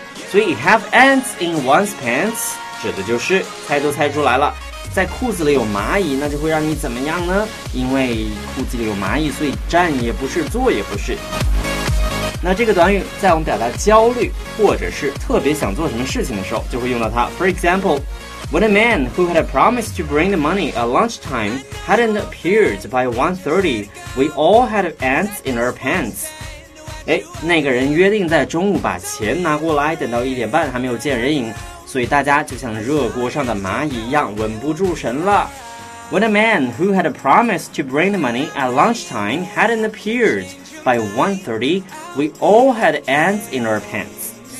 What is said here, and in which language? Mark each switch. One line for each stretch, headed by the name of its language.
Chinese: 所以
English: have ants in one's pants
Chinese: 指的就是，猜都猜出来了，在裤子里有蚂蚁，那就会让你怎么样呢？因为裤子里有蚂蚁，所以站也不是，坐也不是。那这个短语在我们表达焦虑或者是特别想做什么事情的时候就会用到它。
English: For example, when a man who had a promise to bring the money at lunchtime hadn't appeared by 1:30, we all had ants in our pants.
Chinese: 诶，那个人约定在中午把钱拿过来，等到一点半还没有见人影，所以大家就像热锅上的蚂蚁一样稳不住神了。
English: When a man who had a promise to bring the money at lunchtime hadn't appeared by 1:30, we all had ants in our pants.